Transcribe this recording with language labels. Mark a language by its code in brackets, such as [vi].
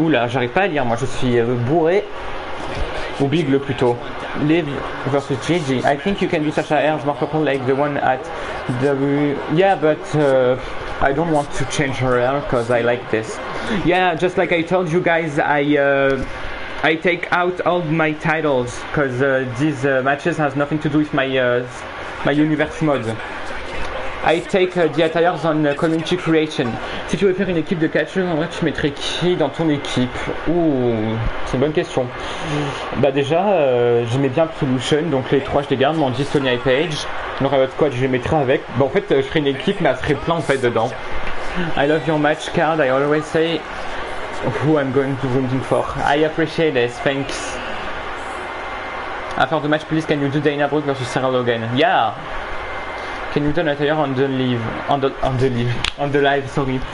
[fr] Oula, j'arrive pas à lire, moi je suis bourré. Ou Bigle plutôt. Liv versus Gigi. [en] I think you can do Sasha Erge more purple like the one at W. Yeah, but I don't want to change her hair because I like this. Yeah, just like I told you guys, I take out all my titles because these matches has nothing to do with my universe mode. I take the attires on community creation. [fr] Si tu veux faire une équipe de catcheurs, en vrai, tu mettrais qui dans ton équipe? Ouh, c'est une bonne question. Bah déjà, j'aimais bien Absolution, donc les trois je les garde, Mandy, Sonya et Paige. Le Riot Squad, je les mettrais avec. Bah en fait, je ferais une équipe, mais elle serait plein en fait dedans. [en] I love your match card, I always say who I'm going to win for. I appreciate this, thanks. After the match, please, can you do Dana Brooke versus Sarah Logan? Yeah! Can you turn it here on the live, sorry.